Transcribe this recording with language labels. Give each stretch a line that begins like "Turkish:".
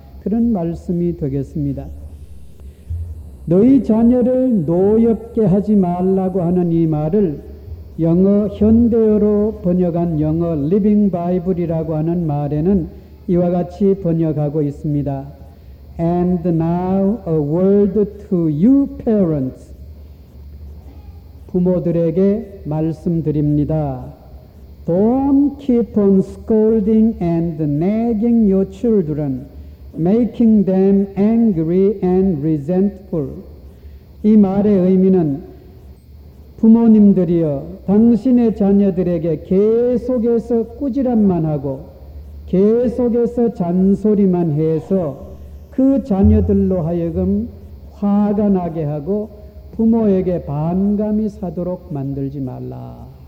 Korean: 그런 말씀이 되겠습니다. 너희 자녀를 노엽게 하지 말라고 하는 이 말을 영어 현대어로 번역한 영어 Living Bible이라고 하는 말에는 이와 같이 번역하고 있습니다.
English: And now a word to you parents.
Korean: 부모들에게 말씀드립니다.
English: Don't keep on scolding and nagging your children, making them angry and resentful.
Korean: 이 말의 의미는 부모님들이여 당신의 자녀들에게 계속해서 꾸지람만 하고 계속해서 잔소리만 해서 그 자녀들로 하여금 화가 나게 하고 부모에게 반감이 사도록 만들지 말라.